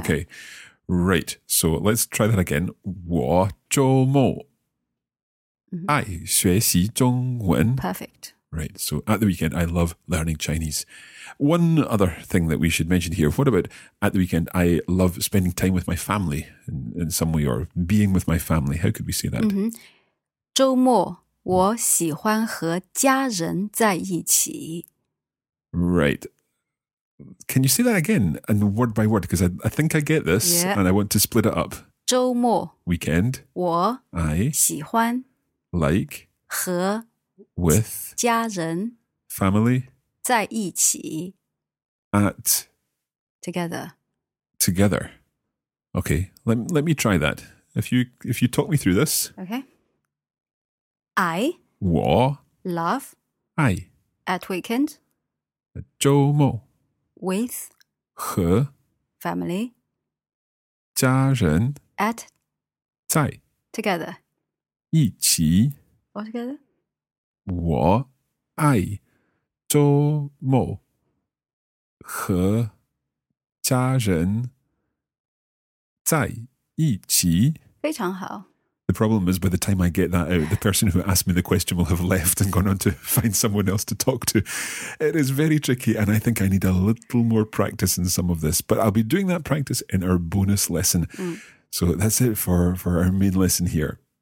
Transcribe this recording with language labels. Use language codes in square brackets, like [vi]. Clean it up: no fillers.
[en] okay Right, so let's try that again [zh] 我周末爱学习中文 [en] Perfect Right, so at the weekend I love learning Chinese One other thing that we should mention here What about at the weekend I love spending time with my family in some way or being with my family How could we say that?、 Mm-hmm. [zh] 周末我喜欢和家人在一起。 [en] Right. Can you say that again and word by word? Because I think I get this、 yeah. and I want to split it up. [zh] 周末 [en] Weekend. [zh] 我 [en] I [zh] 喜欢 [en] Like [zh] 和 [en] With [zh] 家人 [en] Family [zh] 在一起。 [en] at together. Together. Okay. Let me try that. If you talk me through this. Okay. I war love I at weekend. At 周末 with [zh] 和 [en] family [zh] 家人 [en] at [zh] 在 [en] together [zh] 一起 [en] all together [zh] 我爱周末和家人在一起。非常好。 [en] The problem is by the time I get that out, the person who asked me the question will have left and gone on to find someone else to talk to. It is very tricky and I think I need a little more practice in some of this. But I'll be doing that practice in our bonus lesson. Mm. So that's it for our main lesson here.